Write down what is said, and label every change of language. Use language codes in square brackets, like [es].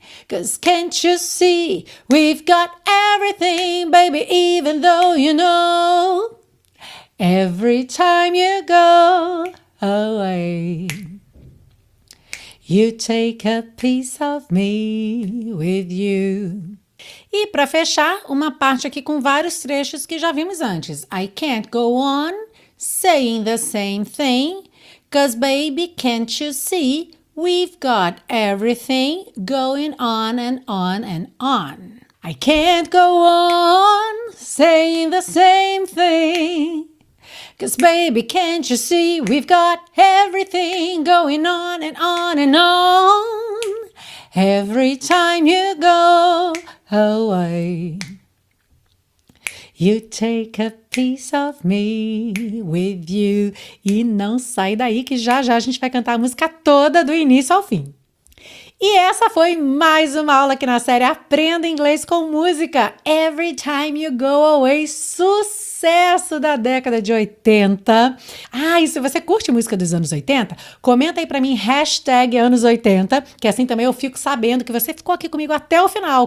[en] 'Cause can't you see? We've got everything, baby, even though you know. Every time you go away, you take a piece of me with you. [pt] E para fechar, uma parte aqui com vários trechos que já vimos antes. [en] I can't go on saying the same thing, 'cause baby, can't you see? We've got everything going on and on and on. I can't go on saying the same thing. 'Cause baby, can't you see? We've got everything going on and on and on. Every time you go away, you take a piece of me with you. [pt] E não sai daí que já já a gente vai cantar a música toda do início ao fim. E essa foi mais uma aula aqui na série Aprenda Inglês com Música. Every time you go away, sucesso! sucesso da década de 80. Ah, e se você curte música dos anos 80, comenta aí pra mim, hashtag anos 80, que assim também eu fico sabendo que você ficou aqui comigo até o final.